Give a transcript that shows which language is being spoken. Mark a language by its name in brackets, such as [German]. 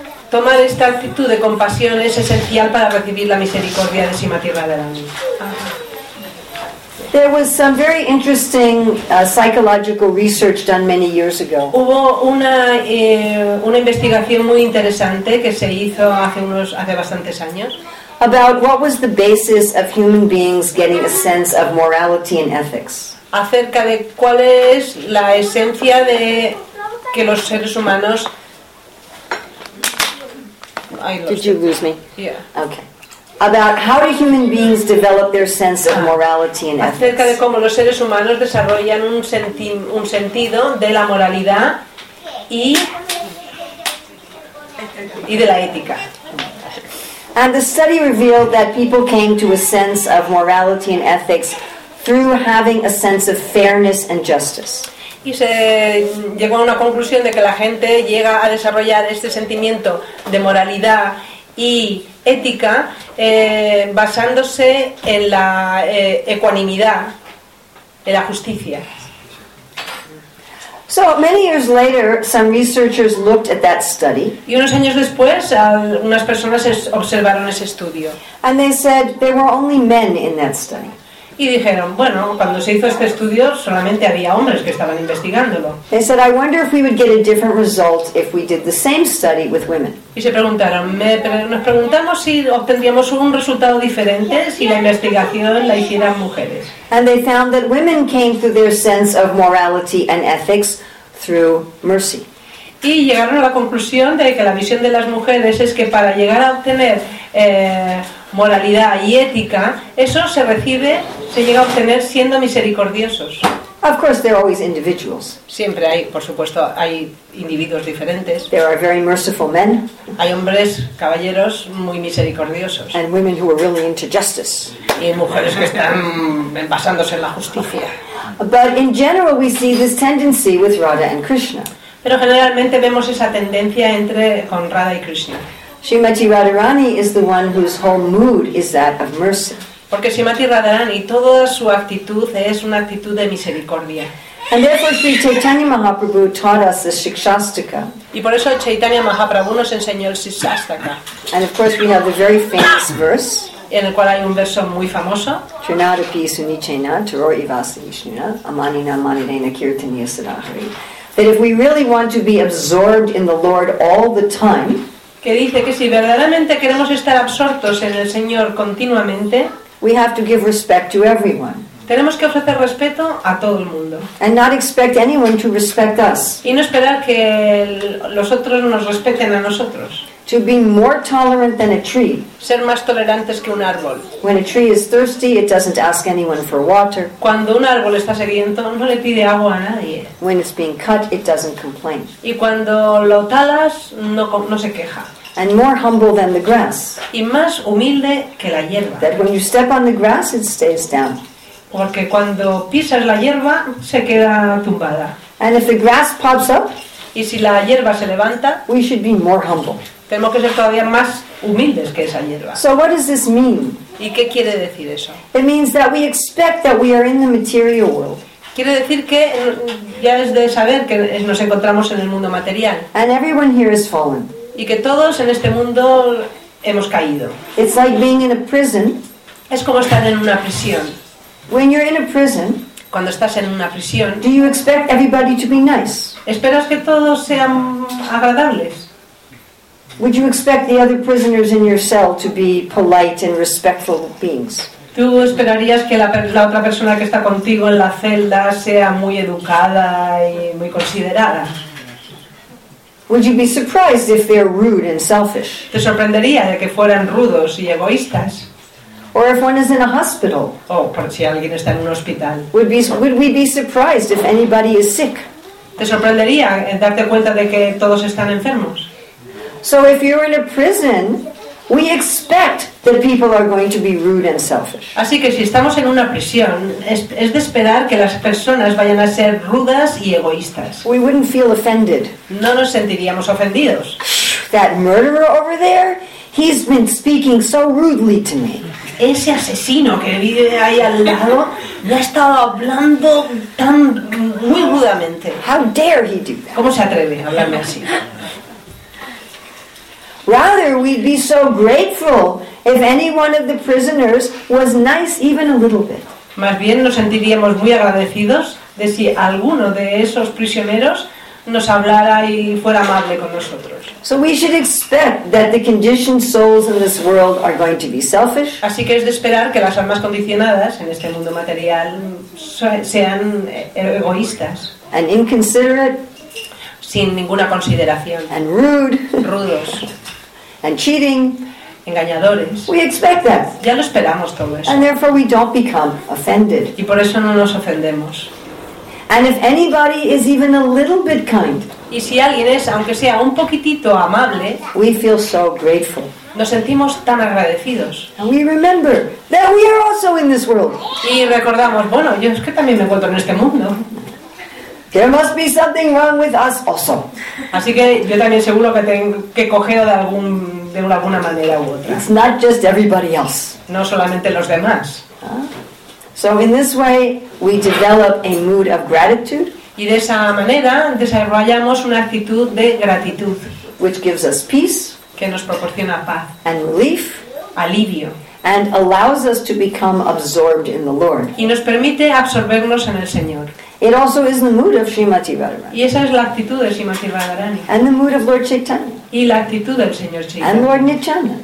[Spanish] Tomar esta actitud de compasión es esencial para recibir la misericordia de Srimati Radharani. [English] There was some very interesting psychological research done many years ago. [Spanish] Hubo una investigación muy interesante que se hizo hace bastantes años. [English] About what was the basis of human beings getting a sense of morality and ethics. [Spanish] Acerca de cuál es la esencia de que los seres humanos. [English] Did you lose me? Yeah. Okay. About how do human beings develop their sense of morality and ethics. [Spanish] Acerca de cómo los seres humanos desarrollan un sentido de la moralidad y de la ética. [English] And the study revealed that people came to a sense of morality and ethics through having a sense of fairness and justice. [Spanish] Y se llegó a una conclusión de que la gente llega a desarrollar este sentimiento de moralidad y ética basándose en la ecuanimidad, en la justicia. [English] So many years later, some researchers looked at that study. [Spanish] Y unos años después, unas personas observaron ese estudio. [English] And they said there were only men in that study. [Spanish] Y dijeron, bueno, cuando se hizo este estudio, solamente había hombres que estaban investigándolo. [English] They said, I wonder if we would get a different result if we did the same study with women. [Spanish] Y se preguntaron, nos preguntamos si obtendríamos un resultado diferente si la investigación la hicieran mujeres. [English] And they found that women came through their sense of morality and ethics through mercy. [Spanish] Y llegaron a la conclusión de que la visión de las mujeres es que para llegar a obtener moralidad y ética, eso se recibe, se llega a obtener siendo misericordiosos. [English] Of course, there are always individuals. [Spanish] Siempre hay, por supuesto, hay individuos diferentes. [English] There are very merciful men. [Spanish] Hay hombres, caballeros, muy misericordiosos. [English] And women who are really into justice. [Spanish] Y mujeres que están basándose en la justicia. [English] But in general, we see this tendency with Radha and Krishna. [Spanish] Pero generalmente vemos esa tendencia entre con Radha y Krishna. [English] Srimati Radharani is the one whose whole mood is that of mercy. [Spanish] Porque Srimati Radharani, toda su actitud es una actitud de misericordia. [English] And therefore Sri Chaitanya Mahaprabhu taught us the Shikshastaka. [Spanish] Y por eso Chaitanya Mahaprabhu nos enseñó el Shikshastaka. [English] And of course we have the very famous verse. [Spanish] En el cual hay un verso muy famoso. [Sanskrit] Trinadapi sunichena taror ivasanishnuna amanina manidena kirtaniya sadahari. [English] That if we really want to be absorbed in the Lord all the time, [Spanish] que dice que si verdaderamente queremos estar absortos en el Señor continuamente, [English] we have to give respect to everyone. [Spanish] Tenemos que ofrecer respeto a todo el mundo. [English] And not expect anyone to respect us. [Spanish] Y no esperar que los otros nos respeten a nosotros. [English] To be more tolerant than a tree. [Spanish] Ser más tolerantes que un árbol. [English] When a tree is thirsty, it doesn't ask anyone for water. [Spanish] Cuando un árbol está sediento, no le pide agua a nadie. [English] When it's being cut, it doesn't complain. [Spanish] Y cuando lo talas, no se queja. [English] And more humble than the grass. [Spanish] Y más humilde que la hierba. [English] That when you step on the grass, it stays down. [Spanish] Porque cuando pisas la hierba, se queda tumbada. [English] And if the grass pops up, [Spanish] y si la hierba se levanta, [English] we should be more humble. [Spanish] Tenemos que ser todavía más humildes que esa hierba. [English] So what does this mean? [Spanish] ¿Y qué quiere decir eso? [English] It means that we expect that we are in the material world. [Spanish] Quiere decir que ya es de saber que nos encontramos en el mundo material. [English] And everyone here has fallen. [Spanish] Y que todos en este mundo hemos caído. [English] It's like being in a prison. [Spanish] Es como estar en una prisión. [English] When you're in a prison, [Spanish] cuando estás en una prisión, [English] do you expect everybody to be nice? [Spanish] ¿Esperas que todos sean agradables? [English] Would you expect the other prisoners in your cell to be polite and respectful beings? [Spanish] ¿Tú esperarías que la otra persona que está contigo en la celda sea muy educada y muy considerada? [English] Would you be surprised if they're rude and selfish? [Spanish] ¿Te sorprendería de que fueran rudos y egoístas? [English] Or if one is in a hospital? [Spanish] Oh, por si alguien está en un hospital. [English] Would we be surprised if anybody is sick? [Spanish] ¿Te sorprendería en darte cuenta de que todos están enfermos? [English] So if you're in a prison, we expect that people are going to be rude and selfish. [Spanish] Así que si estamos en una prisión, es de esperar que las personas vayan a ser rudas y egoístas. [English] We wouldn't feel offended. [Spanish] No nos sentiríamos ofendidos. [English] That murderer over there, he's been speaking so rudely to me. [Spanish] Ese asesino que vive ahí al lado me ha estado hablando tan muy rudamente. [English] How dare he do that? [Spanish] ¿Cómo se atreve a hablarme así? [English] Rather, we'd be so grateful if any one of the prisoners was nice even a little bit. [Spanish] Más bien nos sentiríamos muy agradecidos de si alguno de esos prisioneros nos hablara y fuera amable con nosotros. [English] So we should expect that the conditioned souls in this world are going to be selfish. [Spanish] Así que es de esperar que las almas condicionadas en este mundo material sean egoístas. [English] And inconsiderate. [Spanish] Sin ninguna consideración. [English] And rude. [Spanish] Rudos. [English] And cheating. [Spanish] Engañadores. [English] We expect that. [Spanish] Ya lo esperamos todo eso. [English] And therefore we don't become offended. [Spanish] Y por eso no nos ofendemos. [English] And if anybody is even a little bit kind, [Spanish] y si alguien es, aunque sea un poquitito amable, [English] we feel so grateful. [Spanish] Nos sentimos tan agradecidos. [English] And we remember that we are also in this world. [Spanish] Y recordamos, bueno, yo es que también me encuentro en este mundo. [English] There must be something wrong with us also. [Spanish] Así que yo también seguro que tengo que coger de alguna manera u otra. [English] It's not just everybody else. [Spanish] No solamente los demás. [English] So in this way we develop a mood of gratitude. [Spanish] Y de esa manera desarrollamos una actitud de gratitud, [English] which gives us peace, [Spanish] que nos proporciona paz, [English] and relief, [Spanish] alivio, [English] and allows us to become absorbed in the Lord. [Spanish] Y nos permite absorbernos en el Señor. [English] It also is the mood of Srimati Radharani. [Spanish] Y esa es la actitud de Srimati Radharani. [English] And the mood of Lord Chaitanya. [Spanish] Y la actitud del Señor Chaitanya. [English] And Lord Nityananda.